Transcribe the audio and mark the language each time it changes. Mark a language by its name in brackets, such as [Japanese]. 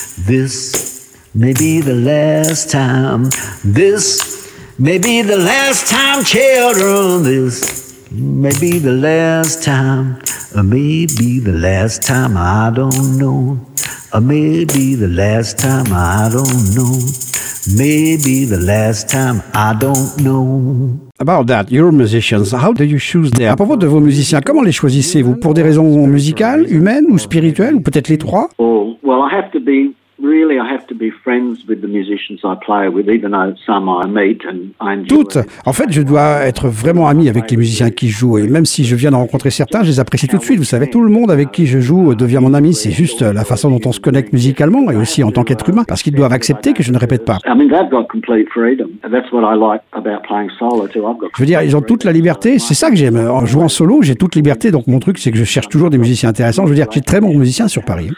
[English] This maybe the last time, this may be the last time, children, this may be the last time, or maybe the last time, I don't know, or maybe the last time, I don't know, maybe the last time, I don't know. About that, your musicians, how do you choose them? [French] À propos de vos musiciens, comment les choisissez-vous? Pour des raisons musicales, humaines ou spirituelles, ou peut-être les trois? [English] Oh, well, I have to be... Really, I have to be friends with the musicians I play with, even though some I meet and I enjoy. [French] Toutes. En fait, je dois être vraiment ami avec les musiciens qui jouent. Et même si je viens d'en rencontrer certains, je les apprécie tout de suite. Vous savez, tout le monde avec qui je joue devient mon ami. C'est juste la façon dont on se connecte musicalement et aussi en tant qu'être humain, parce qu'ils doivent accepter que je ne répète pas. [English] I mean, they've got complete freedom. That's what I like about playing solo too. [French] Je veux dire, ils ont toute la liberté. C'est ça que j'aime. En jouant solo, j'ai toute liberté. Donc mon truc, c'est que je cherche toujours des musiciens intéressants. Je veux dire, j'ai très bons musiciens sur Paris.